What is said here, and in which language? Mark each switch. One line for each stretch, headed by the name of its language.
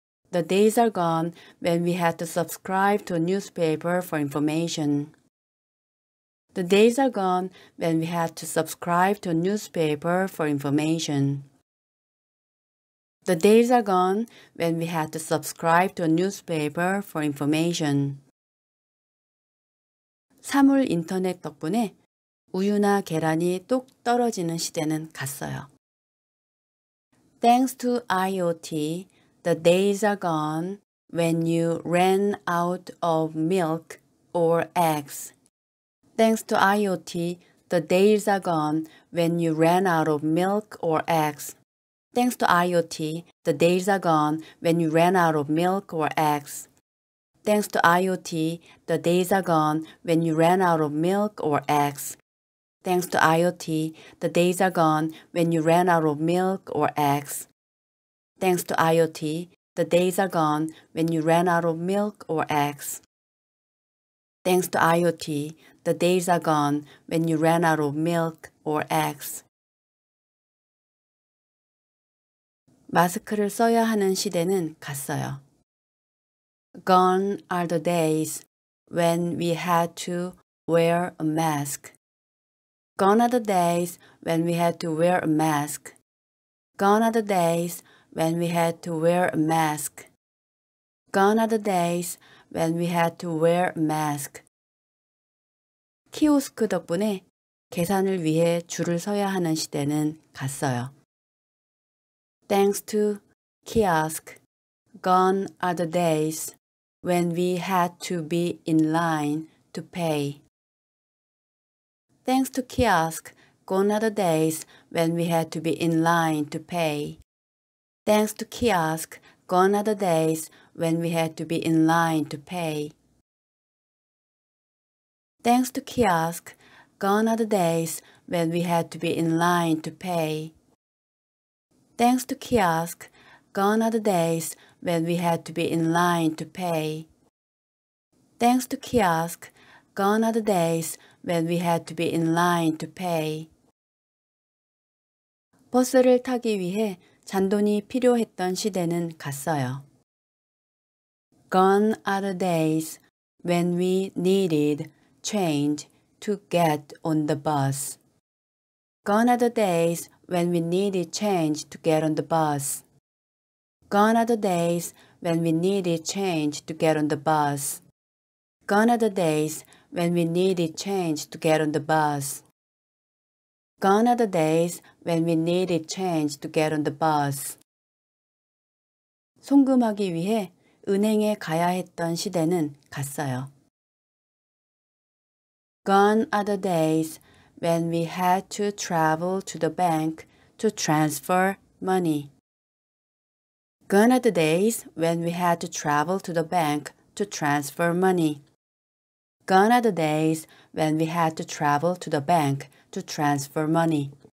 English: The days are gone when we had to subscribe to a newspaper for information. The days are gone when we had to subscribe to a newspaper for information. The days are gone when we had to subscribe to a newspaper for information.
Korean: 사물인터넷 덕분에 우유나 계란이 뚝 떨어지는 시대는 갔어요.
English: Thanks to IoT, the days are gone when you ran out of milk or eggs. Thanks to IoT, the days are gone when you ran out of milk or eggs. Thanks to IoT, the days are gone when you ran out of milk or eggs. Thanks to IoT, the days are gone when you ran out of milk or eggs. Thanks to IoT, the days are gone when you ran out of milk or eggs. Thanks to IoT, the days are gone when you ran out of milk or eggs. Thanks to IoT, the days are gone when you ran out of milk or eggs.
Korean: 마스크를 써야 하는 시대는 갔어요.
English: Gone are the days when we had to wear a mask. Gone are the days when we had to wear a mask. Gone are the days when we had to wear a mask. Gone are the days when we had to wear a mask.
Korean: 키오스크 덕분에 계산을 위해 줄을 서야 하는 시대는 갔어요.
English: Thanks to kiosk, gone are the days when we had to be in line to pay. Thanks to kiosk, gone are the days when we had to be in line to pay. Thanks to kiosk, gone are the days when we had to be in line to pay. Thanks to kiosk, gone are the days when we had to be in line to pay. Thanks to kiosk, gone are the days when we had to be in line to pay. Thanks to kiosk, gone are the days when we had to be in line to pay.
Korean: 버스를 타기 위해 잔돈이 필요했던 시대는 갔어요.
English: Gone are the days when we needed change to get on the bus. Gone are the days when we needed change to get on the bus. Gone are the days when we needed change to get on the bus. Gone are the days when we needed change to get on the bus. Gone are the days when we needed change to get on the bus.
Korean: 송금하기 위해 은행에 가야 했던 시대는 갔어요.
English: Gone are the days when we had to travel to the bank to transfer money. Gone are the days when we had to travel to the bank to transfer money. Gone are the days when we had to travel to the bank to transfer money.